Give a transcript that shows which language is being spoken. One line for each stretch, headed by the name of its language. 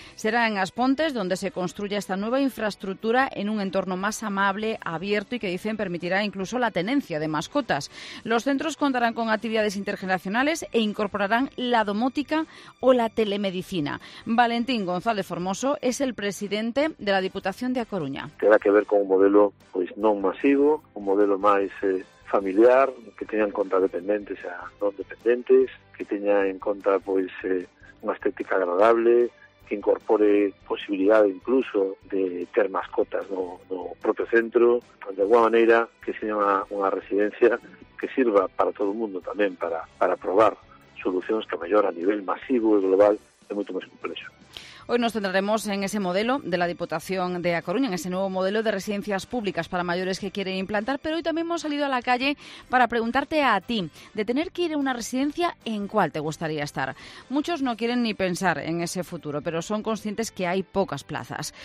Spanish: Será en Aspontes donde se construya esta nueva infraestructura en un entorno más amable, abierto y que dicen permitirá incluso la tenencia de mascotas. Los centros contarán con actividades intergeneracionales e incorporarán la domótica o la telemedicina. Valentín González Formoso es el presidente de la Diputación de A Coruña.
Galician: Tendrá que ver con un modelo, pues, no masivo, un modelo más familiar, que teña en conta dependentes e non dependentes, que teña en conta, pois, unha estética agradable, que incorpore posibilidade incluso de ter mascotas no propio centro, de alguna maneira que seña unha residencia que sirva para todo o mundo tamén, para probar solucións que mellor a nivel masivo e global é moito máis complexo.
Spanish: Hoy nos centraremos en ese modelo de la Diputación de A Coruña, en ese nuevo modelo de residencias públicas para mayores que quiere implantar, pero hoy también hemos salido a la calle para preguntarte a ti, de tener que ir a una residencia, ¿en cuál te gustaría estar? Muchos no quieren ni pensar en ese futuro, pero son conscientes que hay pocas plazas.